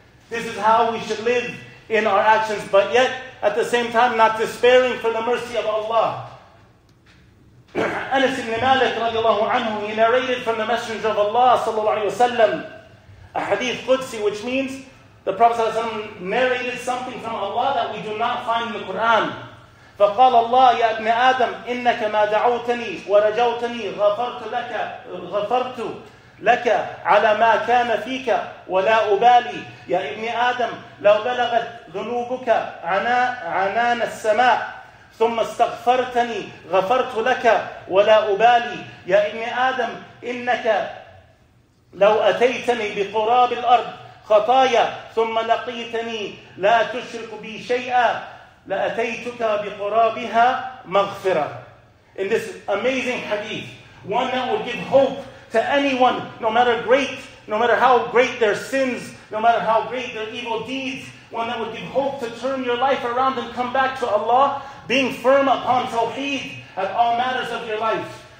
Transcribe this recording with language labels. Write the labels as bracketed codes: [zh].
[en] This is how we should live in our actions, but yet at the same time not despairing for the mercy of Allah. Anas ibn Malik radiallahu anhu, he narrated from the Messenger of Allah sallallahu alayhi wa sallam a hadith Qudsi, which means the Prophet sallallahu alayhi wa sallam narrated something from Allah that we do not find in the Quran. [ar] فقال الله يا ابن آدم إنك ما دعوتني ورجوتني غفرت لك على ما كان فيك ولا أبالي يا ابن آدم لو بلغت ذنوبك عنان السماء ثم استغفرتني غفرت لك ولا أبالي يا ابن آدم إنك لو أتيتني بقراب الأرض خطايا ثم لقيتني لا تشرك بي شيئا لَأَتَيْتُكَ بِقُرَابِهَا مَغْفِرًا. [en] In this amazing hadith, one that will give hope to anyone, no matter how great their sins, no matter how great their evil deeds, one that will give hope to turn your life around and come back to Allah, being firm upon Tawheed at all matters of your life.